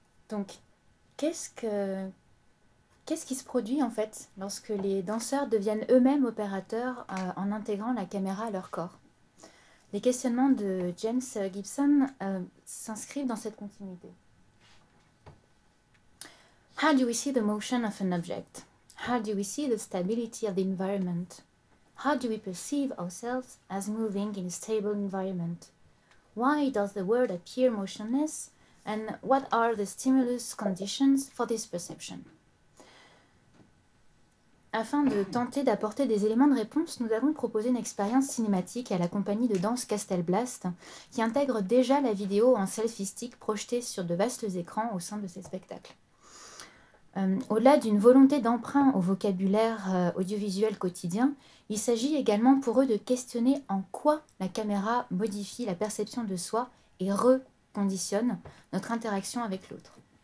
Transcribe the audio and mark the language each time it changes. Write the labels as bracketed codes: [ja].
[fr] Donc, qu'est-ce qui se produit en fait lorsque les danseurs deviennent eux-mêmes opérateurs en intégrant la caméra à leur corps? Les questionnements de James Gibson s'inscrivent dans cette continuité. [en] How do we see the motion of an object? How do we see the stability of the environment? How do we perceive ourselves as moving in a stable environment? Why does the world appear motionless? And what are the stimulus conditions for this perception? [fr] Afin de tenter d'apporter des éléments de réponse, nous avons proposé une expérience cinématique à la compagnie de danse Castelblast, qui intègre déjà la vidéo en selfie-stick projetée sur de vastes écrans au sein de ces spectacles. Au-delà d'une volonté d'emprunt au vocabulaire audiovisuel quotidien, il s'agit également pour eux de questionner en quoi la caméra modifie la perception de soi et reconditionne notre interaction avec l'autre.